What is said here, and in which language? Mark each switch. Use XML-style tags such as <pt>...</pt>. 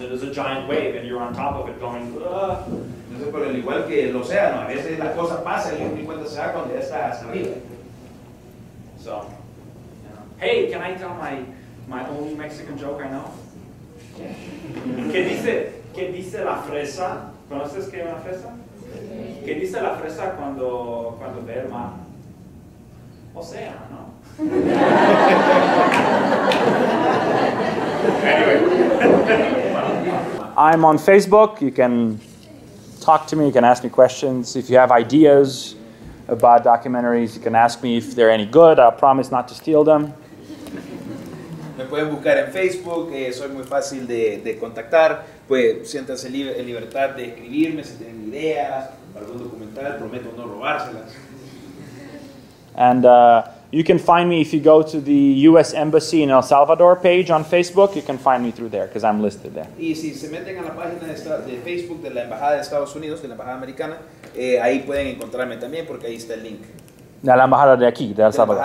<en>It is a giant wave, and you're on top of it, going.</en> <es>Entonces, pero al igual que el océano, a veces las cosas pasan y uno encuentra se da cuando ya está hasta arriba.</es> <en>So, yeah. Hey, can I tell my only Mexican joke I know?</en> <es>¿Qué dice la fresa? ¿Conoces qué es una fresa? ¿Qué dice la fresa cuando ve el mar? Océano.</es> <en>I'm on Facebook. You can talk to me, you can ask me questions. If you have ideas about documentaries, you can ask me if they're any good. I'll promise not to steal them.</en> <es>Me pueden buscar en Facebook, soy muy fácil de contactar. Pues siéntanse en libertad de escribirme si tienen ideas para un documental, prometo no robárselas.</es> <en>And you can find me if you go to the U.S. Embassy in El Salvador page on Facebook. You can find me through there because I'm listed there.</en> <es>Y si se meten a la página de Facebook de la Embajada de Estados Unidos, de la Embajada Americana, ahí pueden encontrarme también porque ahí está el link. De la Embajada de aquí, de El Salvador.</es>